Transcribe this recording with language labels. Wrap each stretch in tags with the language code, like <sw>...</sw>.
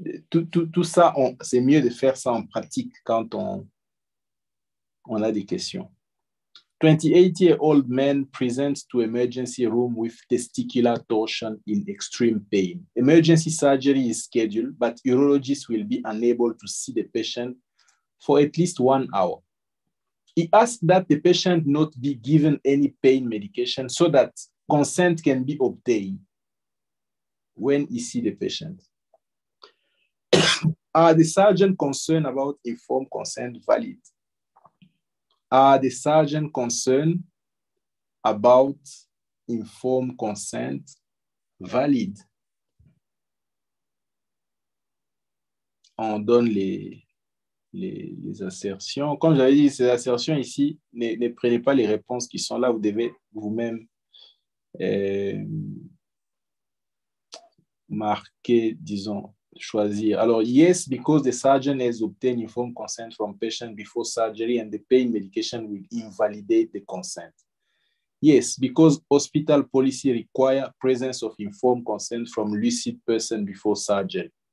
<fr>Tout ça, c'est mieux de faire ça en pratique quand on a des questions.</fr> <en>28-year-old man presents to emergency room with testicular torsion in extreme pain. Emergency surgery is scheduled, but urologists will be unable to see the patient for at least 1 hour. He asks that the patient not be given any pain medication so that consent can be obtained when he sees the patient. Are the surgeon concerned about informed consent valid? Are the surgeon concerned about informed consent valid?</en> <fr>On donne les assertions. Comme j'avais dit, ces assertions ici, ne prenez pas les réponses qui sont là. Vous devez vous-même marquer, disons, choisir.</fr> <en>Alors, yes, because the surgeon has obtained informed consent from patient before surgery and the pain medication will invalidate the consent. Yes, because hospital policy require presence of informed consent from lucid person before surgery.</en>